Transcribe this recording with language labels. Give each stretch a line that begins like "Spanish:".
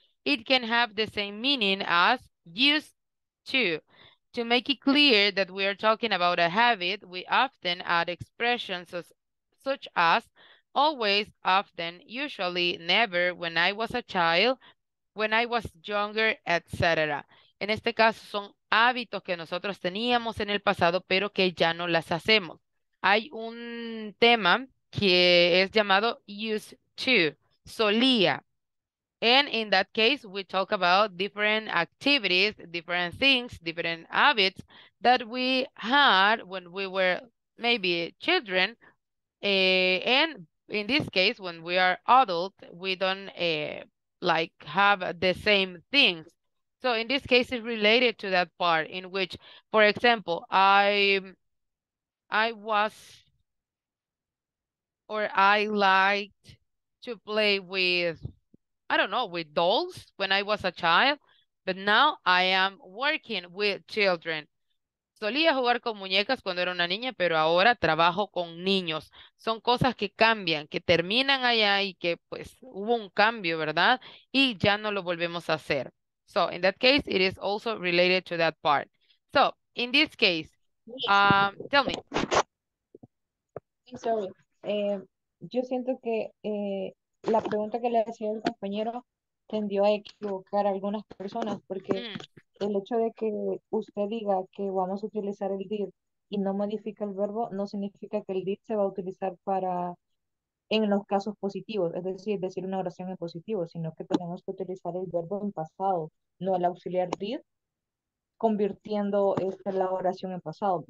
English: It can have the same meaning as used to make it clear that we are talking about a habit. We often add expressions such as always, often, usually, never, when I was a child, when I was younger, etc.
Spanish: En este caso, son hábitos que nosotros teníamos en el pasado, pero que ya no las hacemos. Hay un tema que es llamado used to, solía.
English: And in that case, we talk about different activities, different things, different habits that we had when we were maybe children, and in this case, when we are adult, we don't like have the same things. So in this case, it's related to that part in which, for example, I was, or I liked to play with, I don't know, with dolls when I was a child, but now I am working with children.
Spanish: Solía jugar con muñecas cuando era una niña, pero ahora trabajo con niños. Son cosas que cambian, que terminan allá y que pues hubo un cambio, ¿verdad? Y ya no lo volvemos a hacer.
English: So, in that case, it is also related to that part. So, in this case, tell me. Sorry.
Spanish: Yo siento que la pregunta que le hacía el compañero tendió a equivocar a algunas personas porque el hecho de que usted diga que vamos a utilizar el did y no modifica el verbo no significa que el did se va a utilizar para en los casos positivos, es decir, decir una oración en positivo, sino que tenemos que utilizar el verbo en pasado, no el auxiliar did, convirtiendo esta la oración en pasado.